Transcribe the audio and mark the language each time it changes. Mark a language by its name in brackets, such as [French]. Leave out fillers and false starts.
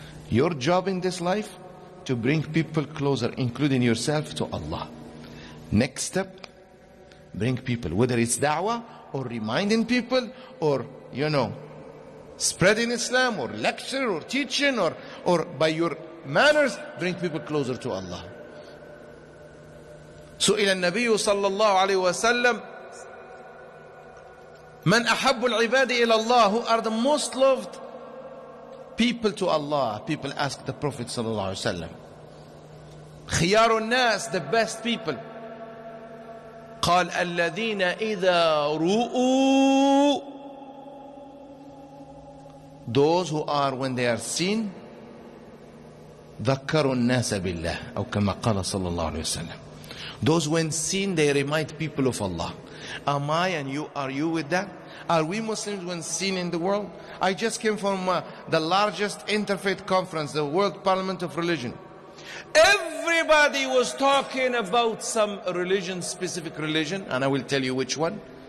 [English] Your job in this life, to bring people closer, including yourself, to Allah. Next step, bring people, whether it's da'wah or reminding people or, you know, spreading Islam or lecture or teaching or by your manners, bring people closer to Allah. [Arabic] سئل النبي صلى الله عليه وسلم من أحب العباد إلى الله. [English] Who are the most loved people to Allah? People ask the Prophet صلى الله عليه وسلم. [Arabic] خيار الناس, [English] the best people. [Arabic] قال الذين إذا رؤوا, [English] those who are when they are seen, [Arabic] ذكروا الناس بالله, أو كما قال صلى الله عليه وسلم. [English] Those when seen, they remind people of Allah. Am I and you, are you with that? Are we Muslims when seen in the world? I just came from the largest interfaith conference, the World Parliament of Religion. Everybody was talking about some religion, specific religion, and I will tell you which one.